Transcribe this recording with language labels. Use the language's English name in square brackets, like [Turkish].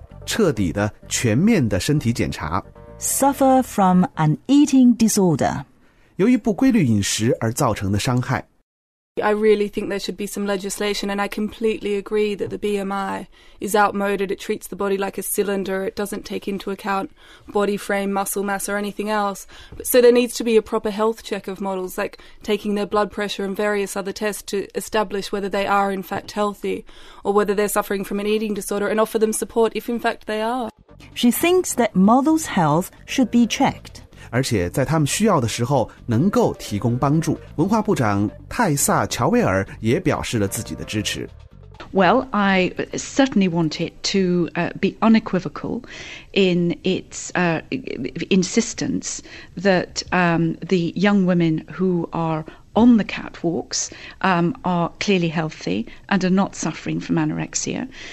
[Chinese] 彻底的全面的身体检查 [English] suffer from an eating disorder [Chinese] 由于不规律饮食而造成的伤害 [English] I really think there should be some legislation, and I completely agree that the BMI is outmoded. It treats the body like a cylinder. It doesn't take into account body frame, muscle mass, or anything else. So there needs to be a proper health check of models, like taking their blood pressure and various other tests to establish whether they are in fact healthy or whether they're suffering from an eating disorder and offer them support if in fact they are. She thinks that models' health should be checked. [Chinese] 而且在他们需要的时候能够提供帮助。文化部长泰萨·乔威尔也表示了自己的支持。 [English] Well, I certainly want it to be unequivocal in its insistence that the young women who are on the catwalks are clearly healthy and are not suffering from anorexia.